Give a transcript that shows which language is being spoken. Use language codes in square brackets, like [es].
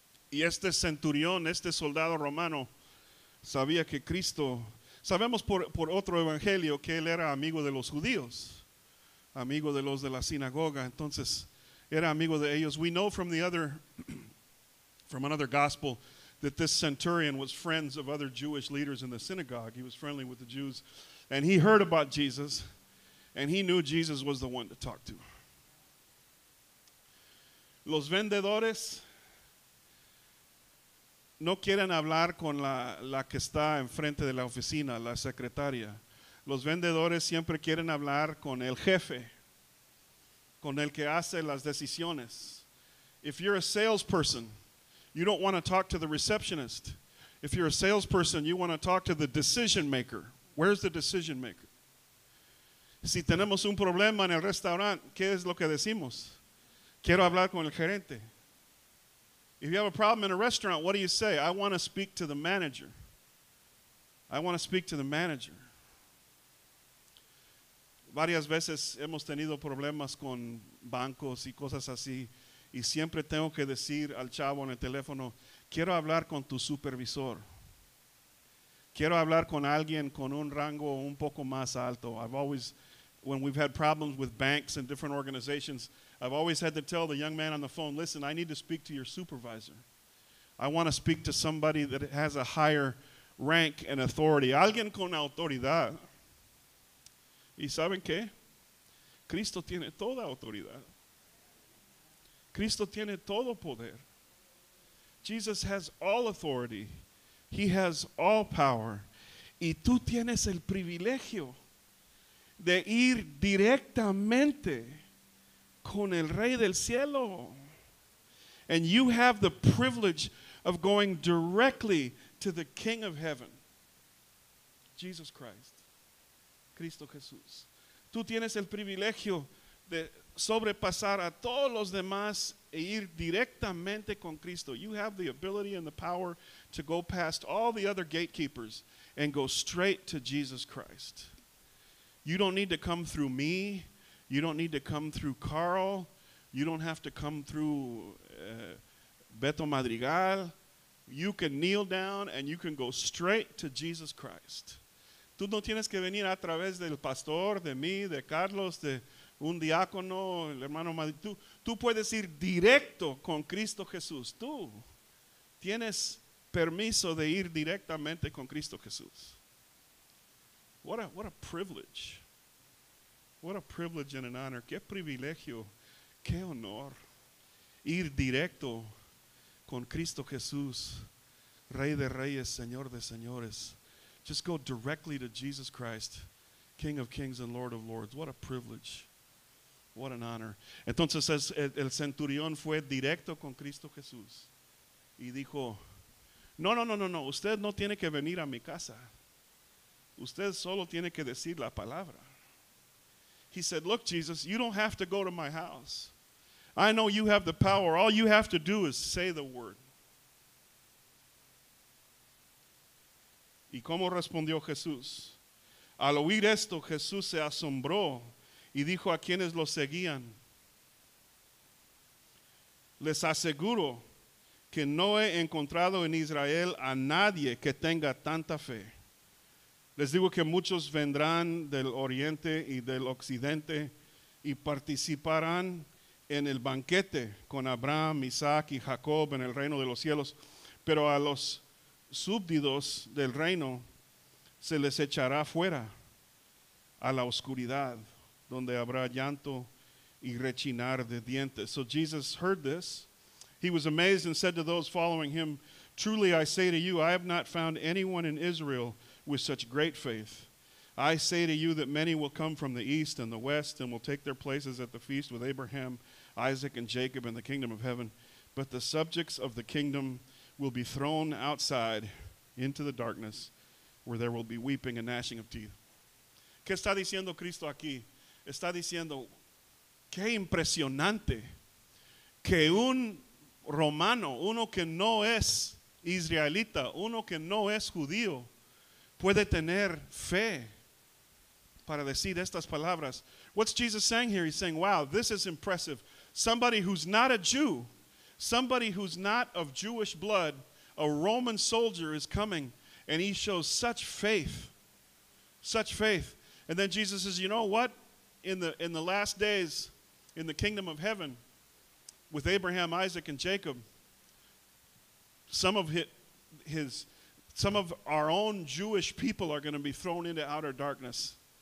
[es] Y este centurión, este soldado romano, sabía que Cristo, sabemos por otro evangelio que él era amigo de los judíos, amigo de los de la sinagoga, entonces era amigo de ellos. [en] We know from the other, from another gospel, that this centurion was friends of other Jewish leaders in the synagogue. He was friendly with the Jews, and he heard about Jesus, and he knew Jesus was the one to talk to. [es] Los vendedores no quieren hablar con la que está enfrente de la oficina, la secretaria. Los vendedores siempre quieren hablar con el jefe. con el que hace las decisiones. [en] If you're a salesperson, you don't want to talk to the receptionist. If you're a salesperson, you want to talk to the decision maker. Where's the decision maker? [es] Si tenemos un problema en el restaurante, ¿qué es lo que decimos? Quiero hablar con el gerente. [en] If you have a problem in a restaurant, what do you say? I want to speak to the manager. I want to speak to the manager. [es] Varias veces hemos tenido problemas con bancos y cosas así, y siempre tengo que decir al chavo en el teléfono, quiero hablar con tu supervisor. Quiero hablar con alguien con un rango un poco más alto. [en] I've always, when we've had problems with banks and different organizations, I've always had to tell the young man on the phone, listen, I need to speak to your supervisor. I want to speak to somebody that has a higher rank and authority. [es] Alguien con autoridad. ¿Y saben qué? Cristo tiene toda autoridad. Cristo tiene todo poder. [en] Jesus has all authority. He has all power. [es] Y tú tienes el privilegio de ir directamente con el Rey del Cielo. [en] And you have the privilege of going directly to the King of Heaven, Jesus Christ. [es] Cristo Jesús. Tú tienes el privilegio de sobrepasar a todos los demás e ir directamente con Cristo. [en] You have the ability and the power to go past all the other gatekeepers and go straight to Jesus Christ. You don't need to come through me. You don't need to come through Carl. You don't have to come through Beto Madrigal. You can kneel down and you can go straight to Jesus Christ. [es] Tú no tienes que venir a través del pastor, de mí, de Carlos, de un diácono, el hermano Madrid. Tú puedes ir directo con Cristo Jesús. Tú tienes permiso de ir directamente con Cristo Jesús. [en] What a privilege. What a privilege and an honor. [es] Qué privilegio, qué honor. Ir directo con Cristo Jesús, Rey de Reyes, Señor de Señores. [en] Just go directly to Jesus Christ, King of Kings and Lord of Lords. What a privilege. What an honor. [es] Entonces el centurión fue directo con Cristo Jesús y dijo, no, usted no tiene que venir a mi casa. Usted solo tiene que decir la palabra. [en] He said, look, Jesus, you don't have to go to my house. I know you have the power. All you have to do is say the word. [es] ¿Y cómo respondió Jesús? Al oír esto, Jesús se asombró y dijo a quienes lo seguían, les aseguro que no he encontrado en Israel a nadie que tenga tanta fe. Les digo que muchos vendrán del oriente y del occidente y participarán en el banquete con Abraham, Isaac y Jacob en el reino de los cielos, pero a los súbditos del reino se les echará fuera a la oscuridad, donde habrá llanto y rechinar de dientes. [en] So Jesus heard this. He was amazed and said to those following him, truly I say to you, I have not found anyone in Israel with such great faith. I say to you that many will come from the east and the west and will take their places at the feast with Abraham, Isaac, and Jacob in the kingdom of heaven. But the subjects of the kingdom will be thrown outside into the darkness where there will be weeping and gnashing of teeth. [es] ¿Qué está diciendo Cristo aquí? Está diciendo, qué impresionante que un romano, uno que no es israelita, uno que no es judío, puede tener fe para decir estas palabras. [en] What's Jesus saying here? He's saying, wow, this is impressive. Somebody who's not a Jew, somebody who's not of Jewish blood, a Roman soldier is coming and he shows such faith, such faith. And then Jesus says, you know what? In the last days, in the kingdom of heaven, with Abraham, Isaac, and Jacob, some of our own Jewish people are going to be thrown into outer darkness.